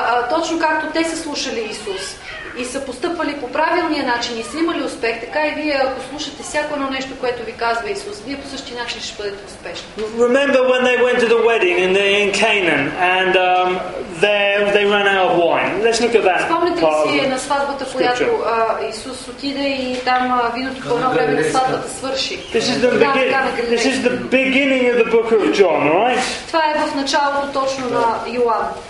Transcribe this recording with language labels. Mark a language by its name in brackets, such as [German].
[Bulgarian] Точно както те са слушали Исус и са постъпвали по правилния начин и са имали успех, така и вие, ако слушате всяко едно нещо, което ви казва Исус, вие по същия начин ще бъдете успешни. [English] Remember when they went to the wedding in Canaan and they ran out of wine. Let's look at that. [Bulgarian] Спомнете ли си на сватбата, която Исус отиде и там виното по едно време на сватбата свърши? [English] This is the beginning of the book of John, right? [Bulgarian] Това е в началото точно на Йоан.